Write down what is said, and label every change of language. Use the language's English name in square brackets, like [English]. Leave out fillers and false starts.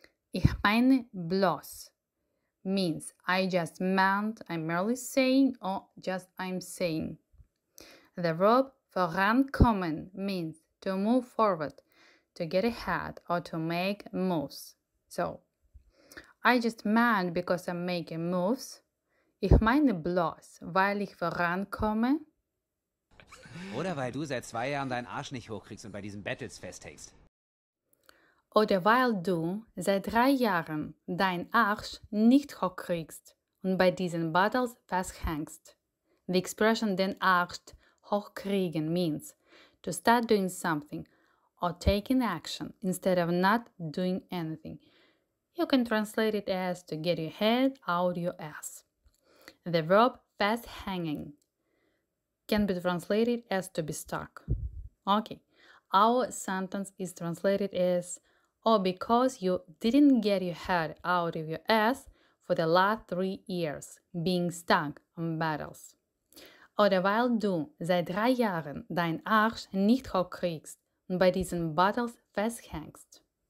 [German] Ich meine bloß [English] means I just meant, I'm merely saying, or just I'm saying. The verb vorankommen means to move forward, to get ahead, or to make moves. So, I just meant because I'm making moves. [German] Ich meine bloß, weil ich vorankomme. Oder weil du seit 2 Jahren deinen Arsch nicht hochkriegst und bei diesen Battles festhängst. Oder weil du seit 3 Jahren deinen Arsch nicht hochkriegst und bei diesen Battles festhängst. [English] The expression [German] den Arsch hochkriegen [English] means to start doing something or taking action instead of not doing anything. You can translate it as to get your head out your ass. The verb festhanging can be translated as to be stuck. Okay, our sentence is translated as or because you didn't get your head out of your ass for the last 3 years, being stuck on battles. [German] Oder weil du seit 3 Jahren deinen Arsch nicht hochkriegst und bei diesen Battles festhängst.